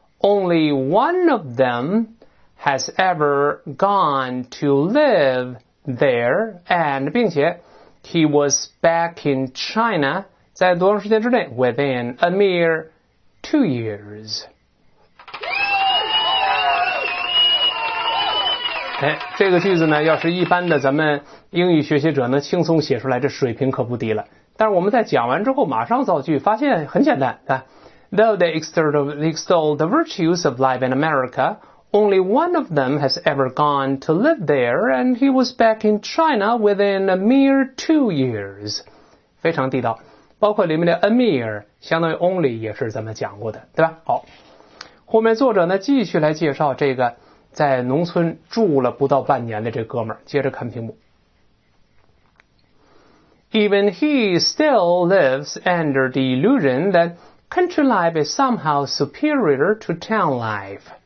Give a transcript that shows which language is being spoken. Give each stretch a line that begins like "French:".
English: only one of them has ever gone to live there， and
Chinese: 并且
English: He was back in China
Chinese: 在多长时间之内
English: within a mere 2 years。
Chinese: 哎，这个句子呢要是一般的咱们英语学习者能轻松写出来，这水平可不低了。但是我们在讲完之后马上造句发现很简单啊。
English: Though they extol the virtues of life in America, only one of them has ever gone to live there, and he was back in China within a mere 2 years.
Chinese: 非常地道，包括里面的 a mere 相当于 only 也是咱们讲过的，对吧？好，后面作者呢继续来介绍这个在农村住了不到半年的这哥们儿。接着看屏幕。
English: Even he still lives under the illusion that country life is somehow superior to town life.